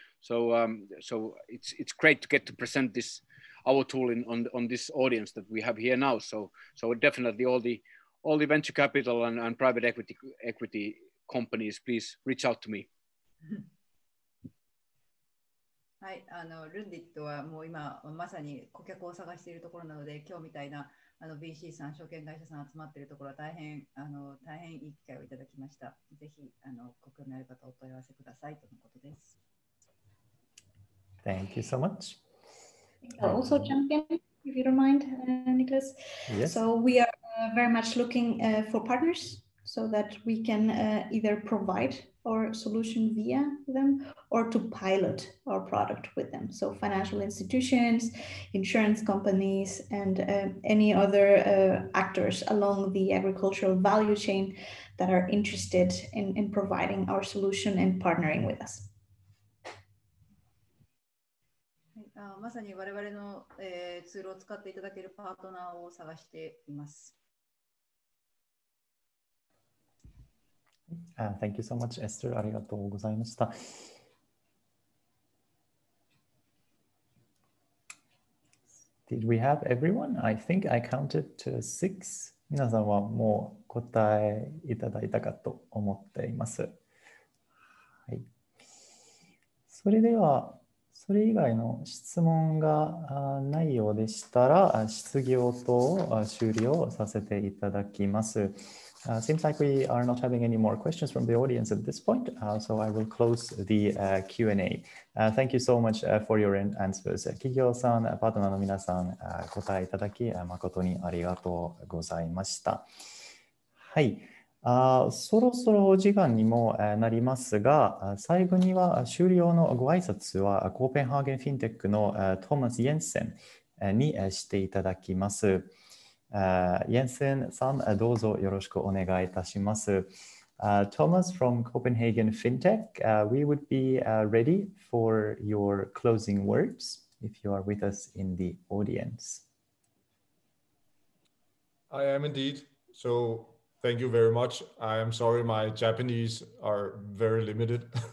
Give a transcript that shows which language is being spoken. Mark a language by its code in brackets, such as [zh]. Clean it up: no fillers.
[en] So it's great to get to present this our tool in on this audience that we have here now. So definitely all the venture capital and private equity companies, please reach out to me. [ja] はい、あのルンディットはもう今まさに顧客を探しているところなので、今日みたいなあの BC さん証券会社さん集まっているところは大変いい機会をいただきました。ぜひあの顧客になる方お問い合わせくださいとのことです。 [en] Thank you so much. Also jump in if you don't mind, Nicholas. Yes. So we are very much looking for partners so that we can either provide our solution via them or to pilot our product with them. So financial institutions, insurance companies, and any other actors along the agricultural value chain that are interested in providing our solution and partnering with us. [ja] まさに我々の、ツールを使っていただけるパートナーを探しています。 [en] Thank you so much, Esther. [ja] ありがとうございました。 [en] Did we have everyone? I think I counted to six. [ja] 皆さんはもう答えいただいたかと思っています。はい。それでは、それ以外の質問がないようでしたら、質疑応答を終了させていただきます。 [en] Seems like we are not having any more questions from the audience at this point, so I will close the Q&A. Thank you so much for your answers. [ja] 企業さん、パートナーの皆さん、答えいただき、誠にありがとうございました。はい、そろそろお時間にもなりますが、最後には終了のご挨拶は、コーペンハーゲンフィンテックのトーマス・イェンセンにしていただきます。 Jensen san, dozo yoroshiku onegai tashimasu. [en] Thomas from Copenhagen FinTech, we would be ready for your closing words if you are with us in the audience. I am indeed. So thank you very much. I am sorry, my Japanese are very limited.